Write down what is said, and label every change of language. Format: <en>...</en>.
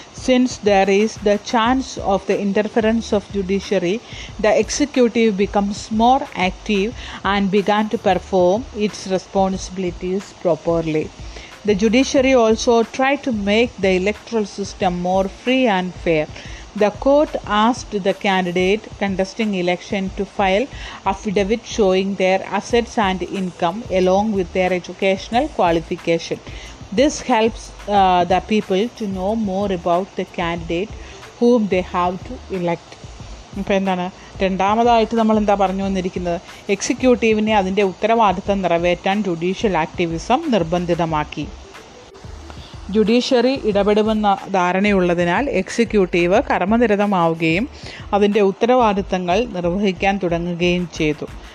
<en>Since there is the chance of the interference of judiciary, the executive becomes more active and began to perform its responsibilities properly. The judiciary also try to make the electoral system more free and fair. The court asked the candidate contesting election to file affidavit showing their assets and income along with their educational qualification. This helps the people to know more about the candidate whom they have to elect.</en> <ml>ഇപ്പോൾ എന്താണ് രണ്ടാമതായിട്ട് നമ്മൾ എന്താ പറഞ്ഞു വന്നിരിക്കുന്നത്? എക്സിക്യൂട്ടീവിനെ അതിൻ്റെ ഉത്തരവാദിത്തം നിറവേറ്റാൻ ജുഡീഷ്യൽ ആക്ടിവിസം നിർബന്ധിതമാക്കി. ജുഡീഷ്യറി ഇടപെടുമെന്ന ധാരണയുള്ളതിനാൽ എക്സിക്യൂട്ടീവ് കർമ്മനിരതമാവുകയും അതിൻ്റെ ഉത്തരവാദിത്തങ്ങൾ നിർവഹിക്കാൻ തുടങ്ങുകയും ചെയ്തു.</ml>